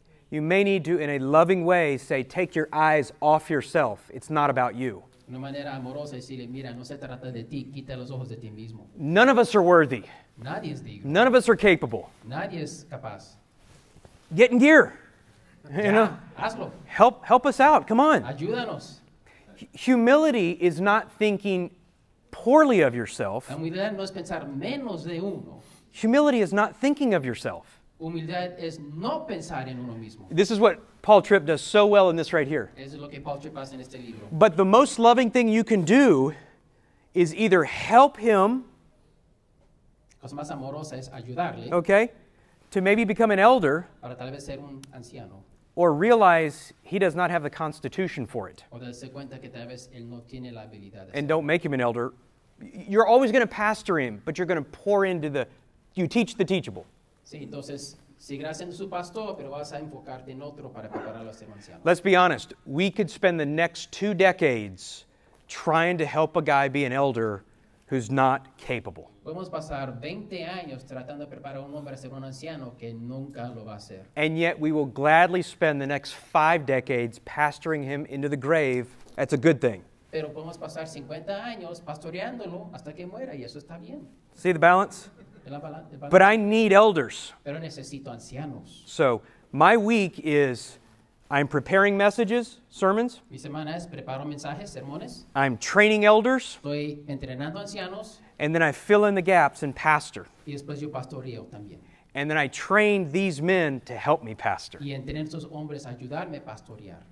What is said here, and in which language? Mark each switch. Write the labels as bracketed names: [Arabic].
[English] You may need to, in a loving way, say, take your eyes off yourself. It's not about you. [Spanish] Una manera amorosa de decirle, mira, no se trata de ti, quita los ojos de ti mismo. [English] None of us are worthy. [Spanish] Nadie es digno. [English] None of us are capable. [Spanish] Nadie es capaz. [English] Get in gear. [Spanish] Ya, [English] you know, [Spanish] hazlo. [English] Help us out. Come on. [Spanish] Ayúdanos. [English] Humility is not thinking poorly of yourself. [Spanish] Humildad no es pensar menos de uno. [English] Humility is not thinking of yourself. [Spanish] Humildad es no pensar en uno mismo. [English] This is what Paul Tripp does so well in this right here. [Spanish] Es lo que Paul Tripp hace en este libro. [English] But the most loving thing you can do is either help him, [Spanish] cosa más amorosa es ayudarle, [English] okay, to maybe become an elder, [Spanish] para tal vez ser un anciano, [English] or realize he does not have the constitution for it. [Spanish] O darse cuenta que tal vez él no tiene la habilidad de ser. [English] And don't make him an elder. You're always going to pastor him, but you're going to pour into the, you teach the teachable. [Spanish] Sí, entonces, seguirá siendo su pastor, pero vas a enfocarte en otro para prepararlo a ser anciano. [English] Let's be honest. We could spend the next 2 decades trying to help a guy be an elder who's not capable. [Spanish] Podemos pasar 20 años tratando de preparar a un hombre a ser un anciano que nunca lo va a ser. [English] And yet we will gladly spend the next 5 decades pastoring him into the grave. That's a good thing. [Spanish] Pero podemos pasar 50 años pastoreándolo hasta que muera, y eso está bien. [English] See the balance? But I need elders. [Spanish] Pero necesito ancianos. [English] So my week is, I'm preparing messages, sermons. [Spanish] Mi semana es preparo mensajes, sermones. [English] I'm training elders. [Spanish] Estoy entrenando ancianos. [English] And then I fill in the gaps and pastor. [Spanish] Y después yo pastoreo también. [English] And then I train these men to help me pastor. [Spanish] Y entrenar estos hombres a ayudarme a pastorear.